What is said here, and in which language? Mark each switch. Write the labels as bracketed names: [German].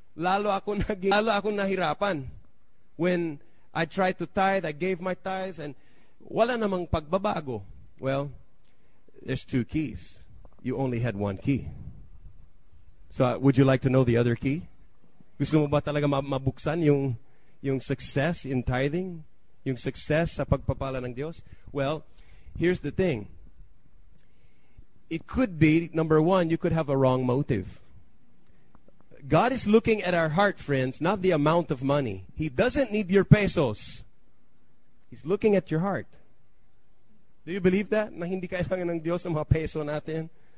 [Filipino] Lalo akong nahirapan. [English] When I tried to tithe, I gave my tithes, and [Filipino] wala namang pagbabago. [English] Well, there's two keys. You only had one key. So, would you like to know the other key? [Filipino] Gusto mo ba talaga mabuksan yung [English] success in tithing? [Filipino] Yung success sa pagpapala ng Diyos? [English] Well, here's the thing. It could be, number one, you could have a wrong motive. God is looking at our heart, friends, not the amount of money. He doesn't need your pesos. He's looking at your heart. Do you believe that? [Filipino] Na hindi kailangan ng Diyos ang mga peso natin?